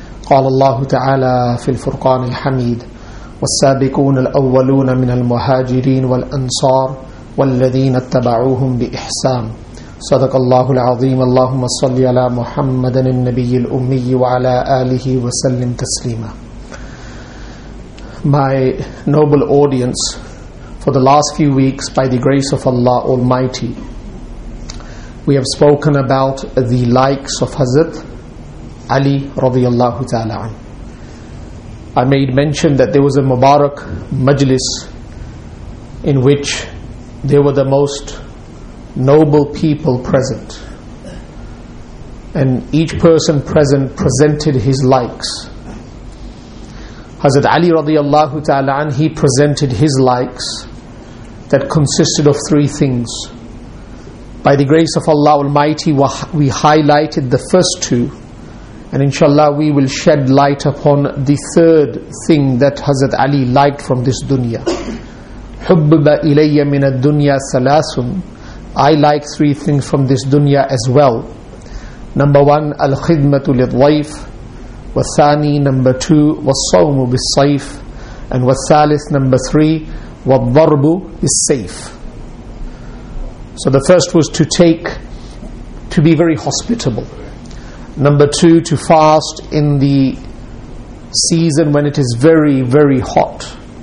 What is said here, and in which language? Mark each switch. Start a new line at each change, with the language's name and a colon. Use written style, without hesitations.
Arabic: قال الله تعالى في الفرقان الحميد: والسابقون الأولون من المهاجرين والأنصار والذين اتبعوهم بإحسان. صدق الله العظيم. اللهم صل على محمد النبي الأمي وعلى آله وسلم تسليما.
English: My noble audience, for the last few weeks, by the grace of Allah Almighty, we have spoken about the likes of Hazrat Ali
Arabic: رضي الله تعالى عنه.
English: I made mention that there was a Mubarak Majlis in which there were the most noble people present. And each person present presented his likes. Hazrat Ali radiallahu ta'ala an, he presented his likes that consisted of three things. By the grace of Allah Almighty, we highlighted the first two. And inshallah, we will shed light upon the third thing that Hazrat Ali liked from this dunya.
Arabic: حُبِّبَ إِلَيَّ مِنَ الدُّنْيَا ثَلَاثٌ.
English: I like three things from this dunya as well. Number one,
Arabic: الْخِدْمَةُ لِلضَّيْفِ. وَالثَّانِي,
English: number two,
Arabic: وَالصَّوْمُ بِالصَّيْفِ.
English: And
Arabic: وَالثَّالِثِ,
English: number three,
Arabic: وَالضَّرْبُ بِالسَّيْفِ.
English: So the first was to take, to be very hospitable. Number two, to fast in the season when it is very, very hot.